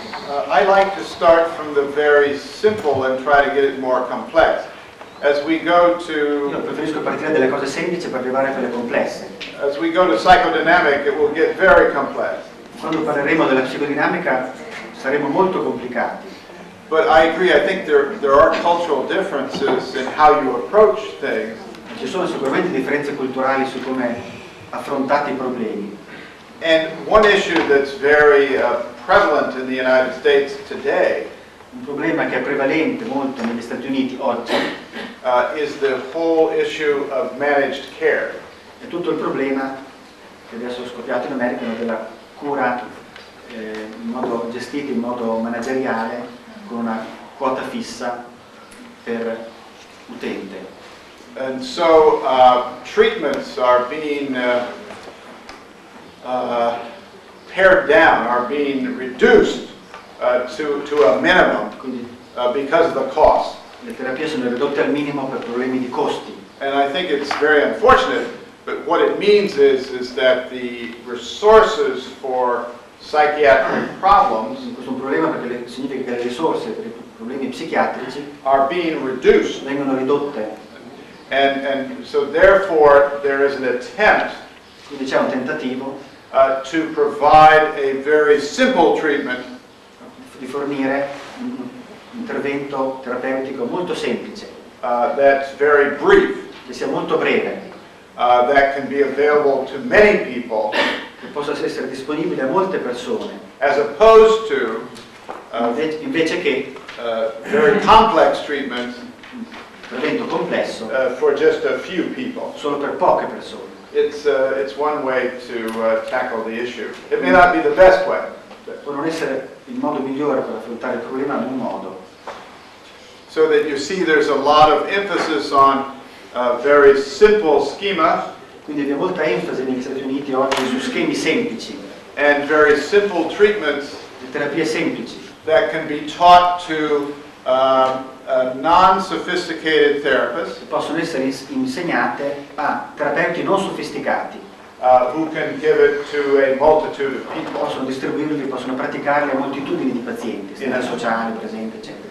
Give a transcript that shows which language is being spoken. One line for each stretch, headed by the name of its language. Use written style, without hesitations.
English: I like to start from the very simple and try to get it more complex. As we go to...
Italian: Io preferisco partire dalle cose semplici per arrivare a quelle complesse.
English: As we go to psychodynamic, it will get very complex.
Italian: Quando parleremo della psicodinamica, saremo molto complicati.
English: But I agree, I think there are cultural differences in how you approach things.
Italian: Ci sono sicuramente differenze culturali su come affrontate I problemi.
English: And one issue that's very prevalent in the United States today,
Italian: un problema che è prevalente molto negli Stati Uniti oggi,
English: is the whole issue of managed care.
Italian: È tutto il problema che adesso è scoppiato in America della cura in modo gestito, in modo manageriale, con una quota fissa per utente.
English: And so treatments are being pared down, are being reduced to a minimum because of the cost.
Italian: Le terapie sono ridotte al minimo per problemi di costi.
English: And I think it's very unfortunate, but what it means is that the resources for psychiatric problems,
Italian: questo è un problema perché significa che le risorse per I problemi psichiatrici,
English: are being reduced.
Italian: Vengono ridotte.
English: And so therefore there is an attempt.
Italian: Quindi c'è un tentativo.
English: To provide a very simple treatment,
Italian: di fornire un intervento terapeutico molto semplice,
English: that's very brief,
Italian: che sia molto breve,
English: that can be available to many people,
Italian: che possa essere disponibile a molte persone,
English: as opposed to,
Italian: invece che,
English: very complex treatments,
Italian: un intervento complesso,
English: for just a few people,
Italian: solo per poche persone.
English: It's one way to tackle the issue. It may not be the best way.
Italian: Può non essere il modo migliore per affrontare il problema in un modo.
English: So that you see, there's a lot of emphasis on a very simple schema.
Italian: Quindi vi è molta enfasi negli Stati Uniti oggi su schemi semplici.
English: And very simple treatments.
Italian: Le terapie semplici.
English: That can be taught to non-sophisticated therapists,
Italian: possono essere insegnate a terapeuti non sofisticati,
English: who can give it to a multitude of people,
Italian: possono distribuirli, possono praticarli a moltitudini di pazienti, in a sociale, per esempio, eccetera.